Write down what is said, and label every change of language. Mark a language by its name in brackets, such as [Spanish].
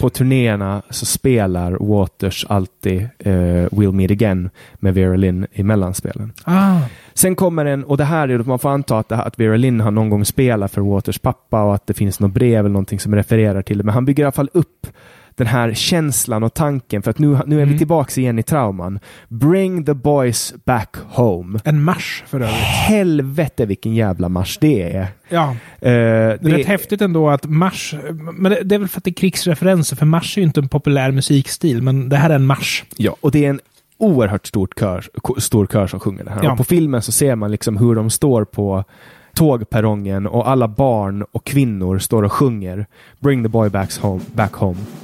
[Swedish] På turnéerna så spelar Waters alltid We'll Meet Again med Vera Lynn i mellanspelen. Ah. Sen kommer den, och det här är att man får anta att Vera Lynn har någon gång spelat för Waters pappa och att det finns något brev eller någonting som refererar till det. Men han bygger i alla fall upp den här känslan och tanken, för att nu är vi tillbaka igen i trauman. [English] Bring the boys back home. [Swedish] En marsch för övrigt. Helvete vilken jävla marsch det är. Ja, det är rätt häftigt ändå att marsch, men det är väl för att det är krigsreferenser, för marsch är ju inte en populär musikstil, men det här är en marsch. Ja, och det är en oerhört stor kör som sjunger det här. Ja. Och på filmen så ser man liksom hur de står på tågperrongen och alla barn och kvinnor står och sjunger [English] Bring the boy back home.